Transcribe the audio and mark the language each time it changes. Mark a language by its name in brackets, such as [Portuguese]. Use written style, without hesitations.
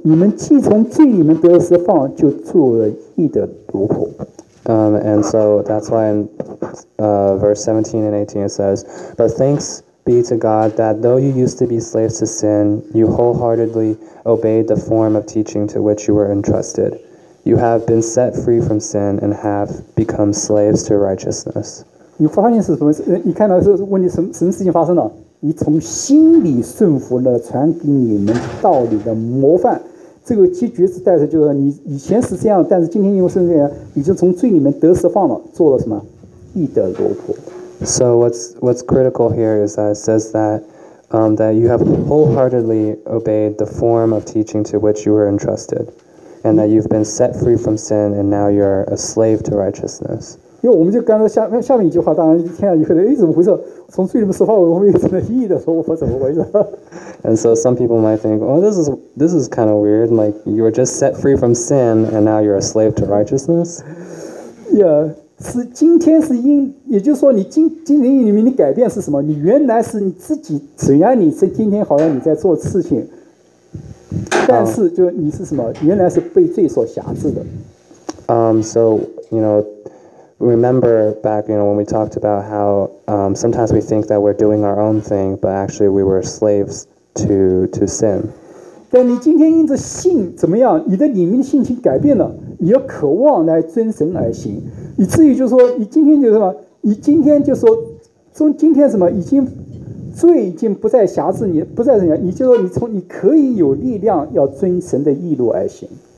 [Chinese] 你们既从罪里面得了释放，就做了义的奴仆。 [English] And so that's why in verse 17 and 18 it says, "But thanks be to God that though you used to be slaves to sin, you wholeheartedly obeyed the form of teaching to which you were entrusted. You have been set free from sin and have become slaves to righteousness." [Chinese] 你发现是什么？你看到是问题什么事情发生了？你从心里顺服了传给你们道理的模范，这个结局是带着就是你以前是这样，但是今天因为是这样，你就从罪里面得释放了，做了什么义的奴仆。 [English] So what's critical here is that it says that that you have wholeheartedly obeyed the form of teaching to which you were entrusted, and that you've been set free from sin, and now you're a slave to righteousness. [Chinese] 因为我们就刚才下面一句话，当然一听啊，你可能哎怎么回事？从罪里面释放，我们变成了义的，说我怎么回事 [English] ？And so some people might think, oh, this is kind of weird. Like you were just set free from sin, and now you're a slave to righteousness. [Chinese] Yeah, 是今天是因，也就是说你今天里面的改变是什么？你原来是你自己，虽然你是今天好像你在做事情，但是就你是什么？原来是被罪所辖制的。 [English] So you know. Remember back, you know, when we talked about how sometimes we think that we're doing our own thing, but actually we were slaves to sin. [Chinese] 但你今天因着信怎么样？你的里面的性情改变了，你要渴望来遵神而行，以至于就是说，你今天就是什么？你今天就说，从今天什么？已经罪已经不再辖制你，不再怎样？你就说，你可以有力量要遵神的义路而行。